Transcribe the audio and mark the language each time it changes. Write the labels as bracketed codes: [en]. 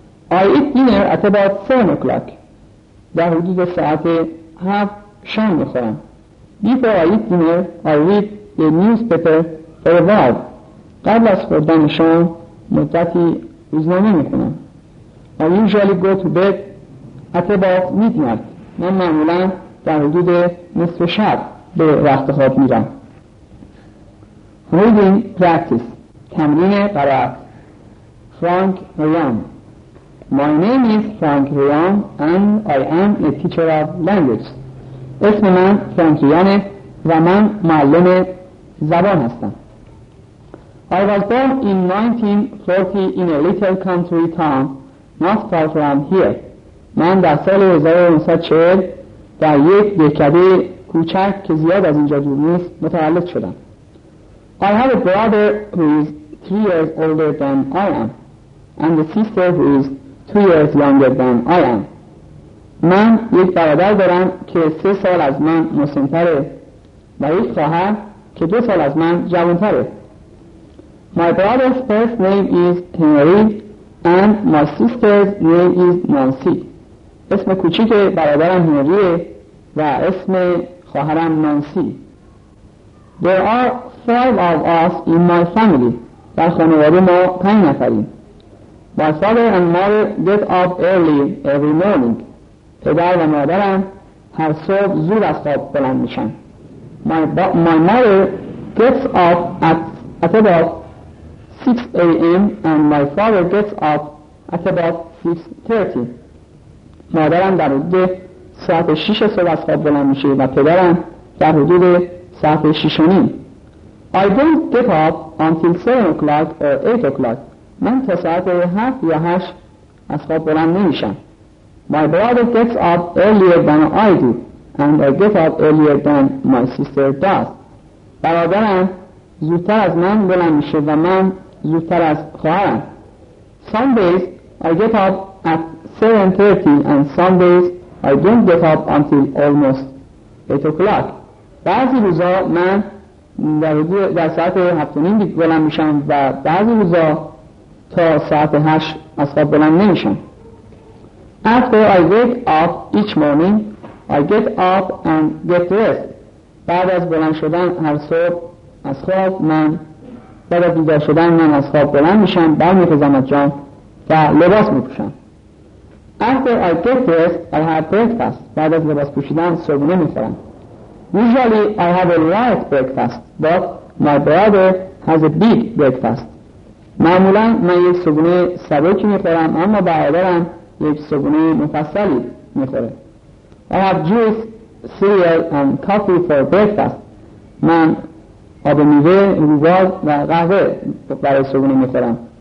[en] I eat dinner at about 4 o'clock. [fa] در حدود ساعت 7 شام میخورم. [en] Before I eat dinner I read the newspaper for a while. [fa] قبل از خوردن شام مدتی روزنامه میکنم. [en] I usually go to bed at about midnight. [fa] من معمولا در حدود نصف شب به رخت خواب میرم. [en] Reading practice. [fa] تمرین قرائت. [en] Frank Ryan. My name is Frank Ryan and I am a teacher of language. [fa] اسم من فرانک ریانه و من معلم زبان هستم. [en] I was born in 1940 in a little country town not far from here. [fa] من در سال 1940 در یک دهکده کوچک که زیاد از اینجا دور نیست متولد شدم. [en] I have a brother who is 3 years older than I am and a sister who is 2 years younger than I am. [fa] من یک برادر دارم که 3 سال از من مسن‌تره و یک خواهر که 2 سال از من جوان‌تره. [en] My brother's first name is Henry and my sister's name is Nancy. [fa] اسم کوچیک برادرم هنریه و اسم خواهرم نانسی. [en] There are 5 of us in my family. [fa] در خانواده ما 5 نفریم. [en] My father and mother get up early every morning. [fa] پدر و مادرم هر صبح زود از خواب بلند میشن. [en] My mother gets up at about 6 a.m. and my father gets up at about 6:30. [fa] مادرم در حدود ساعت 6 صبح از خواب بلند میشه و پدرم در حدود ساعت 6 و نیم. [en] I don't get up until 7 o'clock or 8 o'clock. [fa] من تا ساعت 7 یا 8 از خواب بلند نمیشم. [en] My brother gets up earlier than I do and I get up earlier than my sister does. [fa] برادرم زودتر از من بلند میشه و من زودتر از خواهرم. [en] Some days I get up at 7:30 and some days I don't get up until almost 8 o'clock. [fa] بعضی روزا من در ساعت 7:30 بلند میشم و بعضی روزا تا ساعت 8 از خواب بلند نمیشم. [en] After I wake up each morning, I get up and get dressed. [fa] بعد از بلند شدن هر صبح از خواب من بعد از بیدار شدن من از خواب بلند میشم، برمیخیزم از جام و لباس میپوشم. [en] After I get dressed, I have breakfast. [fa] بعد از لباس پوشیدن صبحونه میخورم. [en] Usually I have a light breakfast, but my brother has a big breakfast. [fa] معمولا من یک صبحونه سبکی میخورم، اما برادرم یک صبحونه مفصلی میخوره. [en] I have juice, cereal and coffee for breakfast. [fa] من آب میوه، روغن و قهوه برای صبحونه میخورم.